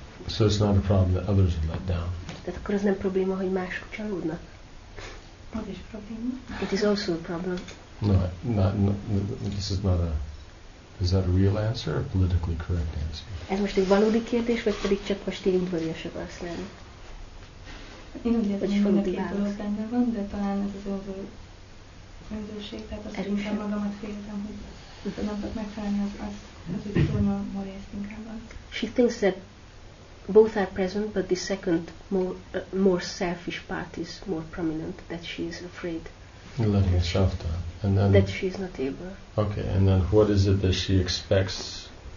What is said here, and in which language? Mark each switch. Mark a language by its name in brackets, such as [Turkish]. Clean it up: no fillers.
[English] So it's not a problem that others have let down. [Hungarian] Tehát akkor az nem probléma, hogy mások csalódnak. [English] It is also a problem. No, this is not a... Is that a real answer or a politically correct answer? [Hungarian] Ez most egy valódi kérdés, vagy pedig csak most így udvariasabb akarsz lenni? Én úgy érzem, hogy mindenki dolog benne van, de talán ez az önzőség, tehát azt, hogy inkább magamat féltem, hogy nem tudok megfelelni, az úgy túlnyom, hol érsz inkább az. [English] She thinks that both are present, but the second, more selfish part is more prominent, that she is afraid. Letting herself down. And then, that she is not able. Okay, and then what is it that she expects?